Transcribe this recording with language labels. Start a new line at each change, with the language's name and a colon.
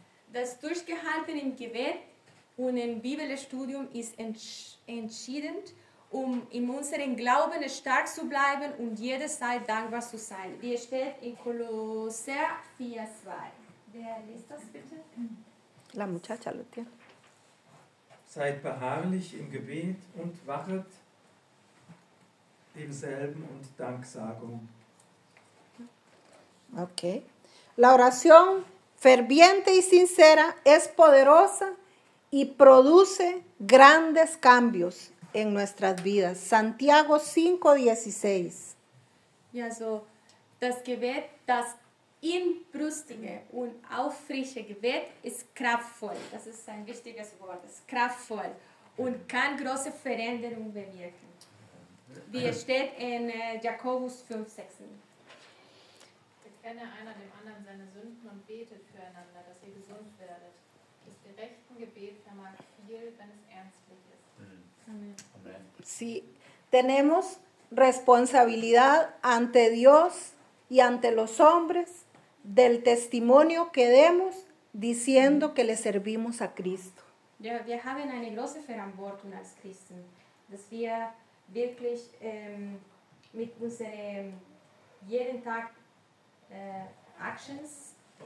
German: Das Durchgehalten im Gebet und im Bibelstudium ist entscheidend, um in unserem Glauben stark zu bleiben und jede Zeit dankbar zu sein. Wie steht in Kolosser 4:2. Wer liest das bitte?
Spanish: La muchacha lo tiene.
German: Seid beharrlich im Gebet und wachet demselben und Danksagung. Okay.
Spanish: La oración ferviente y sincera es poderosa y produce grandes cambios en nuestras vidas. Santiago 5:16.
German: Ja, so das Gebet, das inbrüstige und aufrichtige Gebet ist kraftvoll. Das ist ein wichtiges Wort. Ist kraftvoll und kann große Veränderungen bewirken. Wie es steht in Jakobus 5,16. Bekenne einer dem anderen seine Sünden und betet füreinander, dass ihr gesund werdet. Das gerechte Gebet vermag viel, wenn es ernstlich ist. Amen.
Spanish: Sí, tenemos responsabilidad ante Dios y ante los hombres del testimonio que demos diciendo que le servimos a Cristo.
German: Ja, wir haben eine große Verantwortung als Christen, dass wir wirklich mit unserem jeden Tag Actions